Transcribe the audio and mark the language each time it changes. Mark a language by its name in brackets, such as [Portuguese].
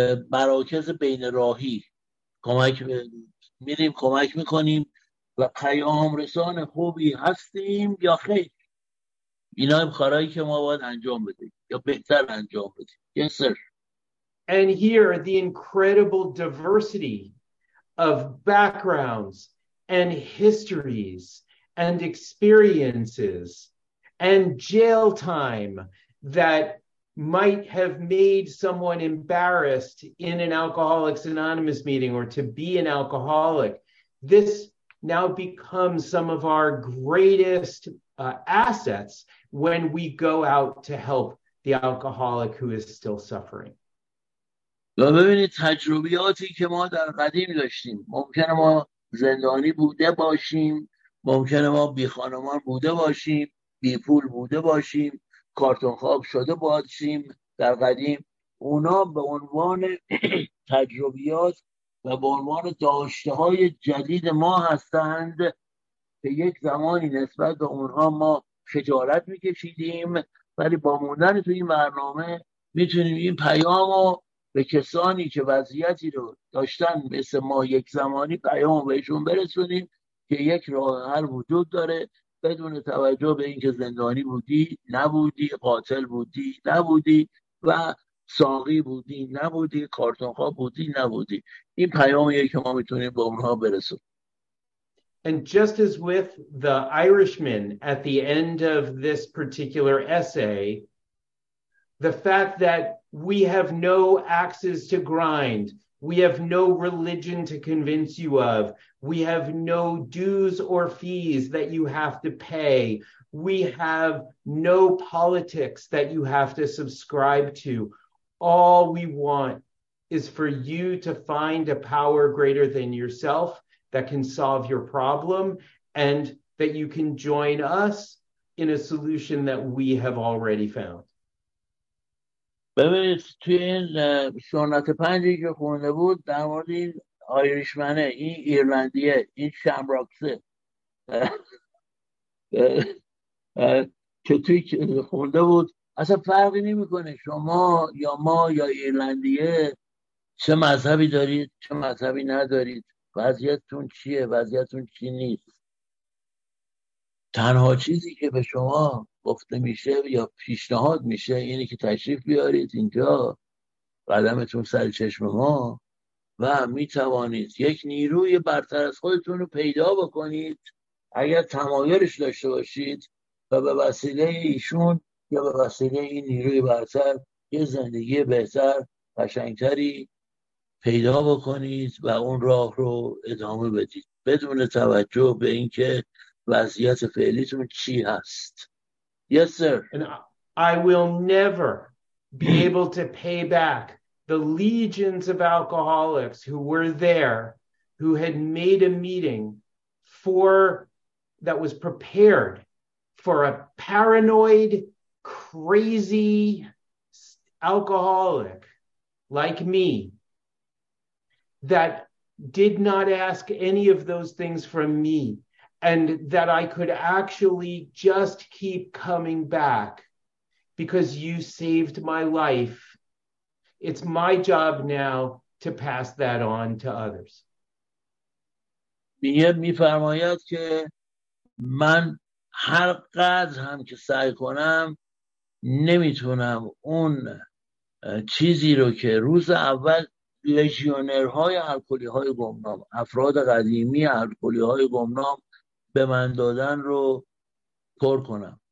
[Persian] مراکز بین راهی میریم کمک میکنیم و پیام رسان خوبی هستیم یا خیر؟ اینا هم کارهایی که ما باید انجام بدیم یا بهتر انجام بدیم. [English] Yes, sir. And here the incredible diversity of backgrounds and histories and experiences and jail time that might have made someone embarrassed in an Alcoholics Anonymous meeting or to be an alcoholic. This now becomes some of our greatest assets when we go out to help the alcoholic who is still suffering. [Persian] ببینید تجربیاتی که ما در قدیم داشتیم، ممکنه ما زندانی بوده باشیم، ممکنه ما بی خانمان بوده باشیم، بی پول بوده باشیم، کارتون خواب شده باشیم در قدیم، اونا به عنوان تجربیات و به عنوان داشته های جدید ما هستند که یک زمانی نسبت به اونها ما خجالت میکشیدیم، ولی با موندن تو این برنامه میتونیم این پیام رو به کسانی که وضعیتی رو داشتن مثل ما یک زمانی پیام رو بهشون برسونیم که یک راه حل وجود داره بدون توجه به اینکه زندانی بودی، نبودی، قاتل بودی، نبودی و ساقی بودی، نبودی، کارتونخواب بودی، نبودی. این پیامیه که ما میتونیم به اونها برسونیم. [English] And just as with the Irishman at the end of this particular essay, the fact that we have no axes to grind, we have no religion to convince you of, we have no dues or fees that you have to pay, we have no politics that you have to subscribe to. All we want is for you to find a power greater than yourself that can solve your problem and that you can join us in a solution that we have already found. [Persian] ببینید توی این سنت پنجی که خونده بود در مورد این آیریشمنه، این ایرلندیه، این شمراکسه. چطوری خونده بود اصلا فرقی نمیکنه شما یا ما یا ایرلندیه چه مذهبی دارید چه مذهبی ندارید، وضعیتتون چیه وضعیتتون چی نیست. تنها چیزی که به شما گفته میشه یا پیشنهاد میشه اینه که تشریف بیارید اینجا قدمتون سر چشم ما و میتوانید یک نیروی برتر از خودتون رو پیدا بکنید اگر تمایلش داشته باشید و به وسیله ایشون یا به وسیله این نیروی برتر یه زندگی بهتر قشنگتری پیدا بکنید و اون راه رو ادامه بدید بدون توجه به اینکه وضعیت فعلیتون چی هست. [English] Yes, sir. And I will never be able to pay back the legions of alcoholics who were there, who had made a meeting for that was prepared for a paranoid, crazy alcoholic like me that did not ask any of those things from me. And that I could actually just keep coming back because you saved my life. It's my job now to pass that on to others. [Persian] میگه میفرماید که من هر قدر هم که سعی کنم نمیتونم اون چیزی رو که روز اول لژیونرهای الکلی های گمنام، افراد قدیمی الکلی های گمنام به من دادن رو پر کنم.